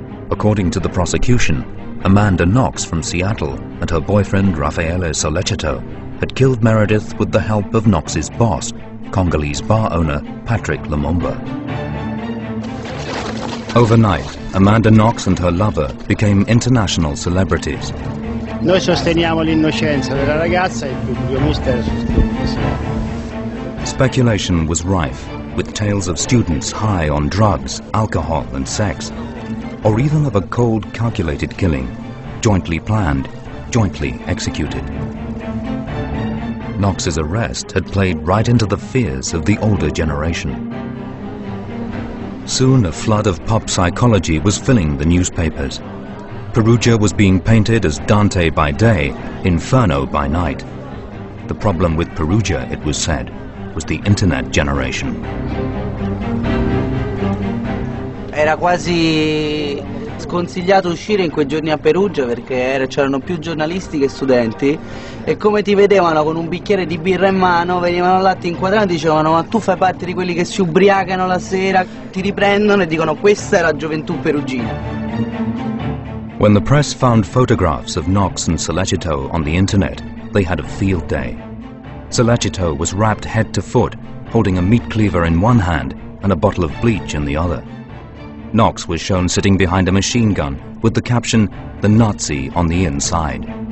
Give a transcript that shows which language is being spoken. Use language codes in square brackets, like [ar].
[en] According to the prosecution, Amanda Knox from Seattle and her boyfriend Raffaele Sollecito had killed Meredith with the help of Knox's boss, Congolese bar owner Patrick Lumumba. Overnight, Amanda Knox and her lover became international celebrities. [it] Noi sosteniamo l'innocenza della ragazza e il pubblico mistero sostiene. [en] Speculation was rife, with tales of students high on drugs, alcohol and sex, or even of a cold, calculated killing, jointly planned, jointly executed. Knox's arrest had played right into the fears of the older generation. Soon a flood of pop psychology was filling the newspapers. Perugia was being painted as Dante by day, Inferno by night. The problem with Perugia, it was said, was the internet generation. [it] Era quasi sconsigliato uscire in quei giorni a Perugia perché c'erano più giornalisti che studenti e come ti vedevano con un bicchiere di birra in mano venivano là, ti inquadravano e dicevano: ma tu fai parte di quelli che si ubriacano la sera, ti riprendono e dicono: questa è la gioventù perugina. [en] When the press found photographs of Knox and Sollecito on the internet, they had a field day. Sollecito was wrapped head to foot, holding a meat cleaver in one hand and a bottle of bleach in the other. Knox was shown sitting behind a machine gun with the caption, "The Nazi" on the inside.